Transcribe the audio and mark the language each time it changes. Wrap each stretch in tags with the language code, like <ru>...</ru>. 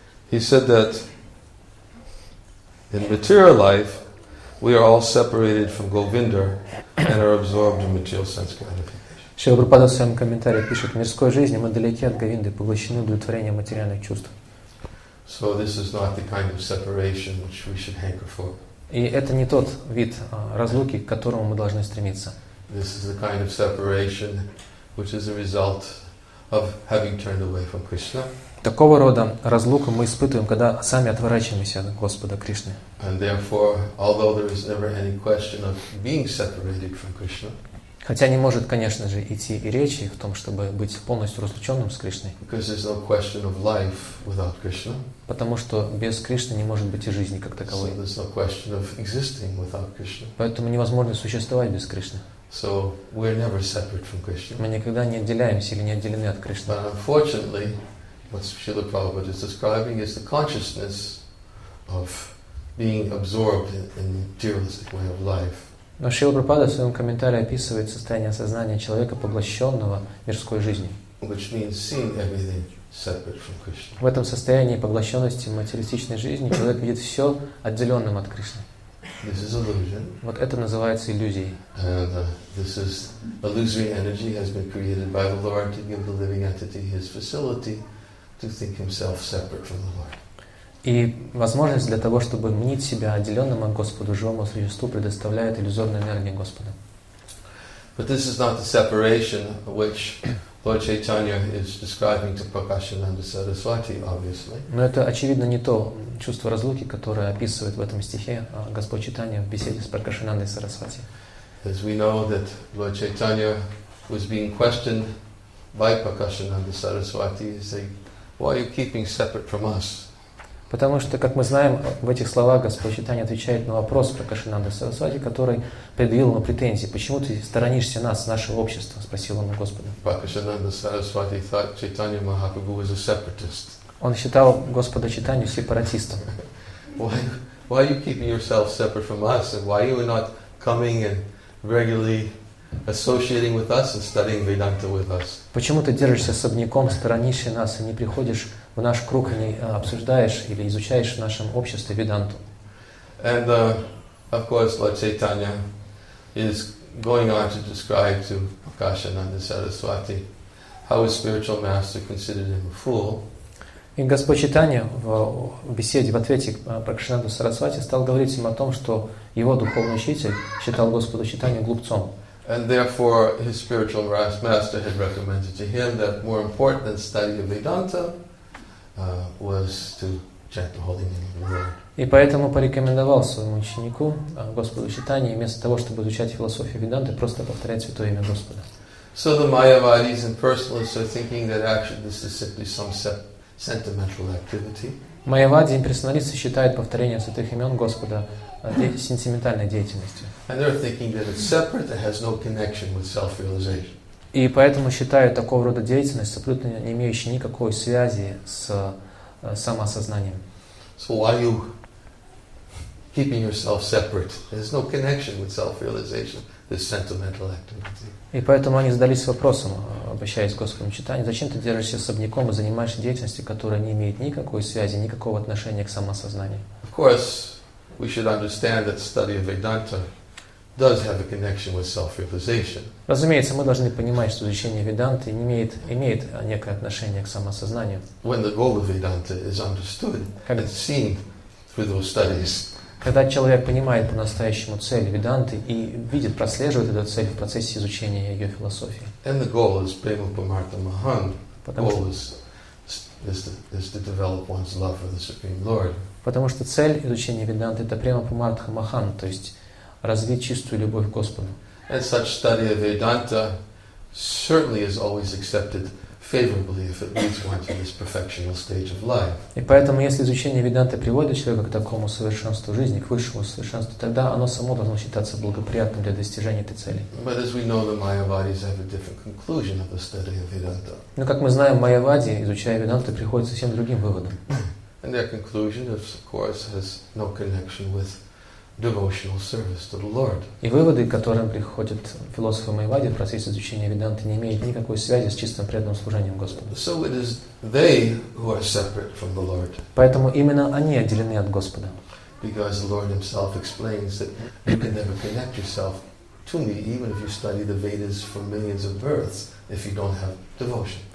<en>He said that in material life, we are all separated from Govinda and are absorbed in material sense gratification.</en> <ru>Шрила Прабхупада в своем комментарии пишет: в мирской жизни мы далеки от Говинды, поглощены удовлетворением материальных чувств.</ru> <en>So this is not the kind of separation which we should hanker for.</en> <ru>И это не тот вид разлуки, к которому мы должны стремиться.</ru> <en>This is the kind of separation which is a result of having turned away from Krishna.</en> <ru>Такого рода разлуку мы испытываем, когда сами отворачиваемся от Господа Кришны.</ru> <en>And therefore, although there is never any question of being separated from Krishna,</en> <ru>хотя не может, конечно же, идти и речи в том, чтобы быть полностью разлученным с Кришной.</ru> <en>Because there's no question of life without Krishna.</en> <ru>Потому что без Кришны не может быть и жизни как таковой.</ru> <en>So there's no question of existing without Krishna.</en> <ru>Поэтому невозможно существовать без Кришны.</ru> <en>So we're never separate from Krishna.</en> <ru>Мы никогда не отделяемся или не отделены от Кришны.</ru> <en>But unfortunately, what Srila Prabhupada is describing is the consciousness of being absorbed in the materialistic way of life.</en> <ru>Но Шрила Прабхупада в своем комментарии описывает состояние сознания человека, поглощенного мирской жизнью.</ru> <en>Which means seeing everything separate from Krishna.</en> <ru>В этом состоянии поглощенности материалистичной жизни человек видит все отделенным от Кришны.</ru> <en>This is illusion.</en> <ru>Вот это называется иллюзией.</ru> <en>And this is illusory energy has been created by the Lord to give the living entity his facility to think himself separate from the Lord.</en> <ru>И возможность для того, чтобы мнить себя отделенным от Господа, живому существу, предоставляет иллюзорная энергия Господа.</ru> <en>But this is not the separation which Lord Chaitanya is describing to Prakashananda Saraswati, obviously.</en> <ru>Но это очевидно не то чувство разлуки, которое описывает в этом стихе Господь Чайтанья в беседе с Пракашинандой Сарасвати.</ru> <en>As we know that Lord Chaitanya was being questioned by Prakashananda Saraswati, he said, "Why are you keeping separate from us?"</en> <ru>Потому что, как мы знаем, в этих словах Господь Чайтанья отвечает на вопрос Прокашинанды Сарасвати, который предъявил ему претензии. «Почему ты сторонишься нас, нашего общества?» — спросил он у Господа.</ru> <en>Прокашинанда Сарасвати thought Chaitanya Mahaprabhu was a separatist.</en> <ru>Он считал Господа Чайтанью сепаратистом.</ru> <en>Why are you keeping yourself separate from us? And why are you not coming and regularly associating with us and studying Vedanta with us?</en> <ru>Почему ты держишься особняком, сторонишься нас и не приходишь в наш круг и не обсуждаешь или изучаешь в нашем обществе Веданту?</ru> <en>And of course, Lord Chaitanya is going on to describe to Prakashananda Saraswati how his spiritual master considered him a fool.</en> <ru>И Господь Чайтанья в беседе, в ответе Прокашинанду Сарасвати стал говорить им о том, что его духовный учитель считал Господа Чайтанью глупцом.</ru> <en>And therefore, his spiritual master had recommended to him that more important than studying Vedanta was to chant the holy name of the Lord.</en> <ru>И поэтому порекомендовал своему ученику Господу Чайтанье вместо того, чтобы изучать философию Веданты, просто повторять святое имя Господа.</ru> <en>So the Mayavadis and personalists are thinking that actually this is simply some sentimental activity.</en> <ru>Майявади и имперсоналисты считают повторение святых имен Господа сентиментальной деятельностью.</ru> <en>And they're thinking that it's separate, that has no connection with self-realization.</en> <ru>И поэтому считают такого рода деятельность абсолютно не имеющей никакой связи с самосознанием.</ru> <en>So why are you keeping yourself separate? There's no connection with self-realization, this sentimental activity.</en> <ru>И поэтому они задались вопросом, обращаясь к Господу Чайтанье: зачем ты держишься особняком и занимаешься деятельностью, которая не имеет никакой связи, никакого отношения к самосознанию?</ru> <en>Of course, we should understand that study of Vedanta does have a connection with self-realization.</en> <ru>Разумеется, мы должны понимать, что изучение Веданты имеет некое отношение к самосознанию.</ru> <en>When the goal of Vedanta is understood and seen through those studies.</en> <ru>Когда человек понимает по-настоящему цель Веданты и видит, прослеживает эту цель в процессе изучения ее философии.</ru> <en>And the goal is Prema Paramartha Mahan. The goal is to develop one's love for the Supreme Lord.</en> <ru>Потому что цель изучения Веданты — это Prema Paramartha Mahan, то есть развить чистую любовь к Господу.</ru> <en>And such study of Vedanta certainly is always accepted favorably if it leads one to this perfectional stage of life.</en> <ru>И поэтому, если изучение Веданты приводит человека к такому совершенству жизни, к высшему совершенству, тогда оно само должно считаться благоприятным для достижения этой цели.</ru> <en>But as we know, the Mayavadis have a different conclusion of the study of Vedanta.</en> <ru>Но как мы знаем, Майявади, изучая Веданту, приходят к совсем другим выводам.</ru> <en>And their conclusion, of course, has no connection with devotional service to the Lord.</en> <ru>И выводы, к которым приходят философы Майвади в процессе изучения Веданты, не имеют никакой связи с чистым преданным служением Господу.</ru> <en>So it is they who are separate from the Lord.</en> <ru>Поэтому именно они отделены от Господа.</ru> <en>Because the Lord Himself explains that you can never connect yourself to Me, even if you study the Vedas for millions of births, if you don't have devotion.</en>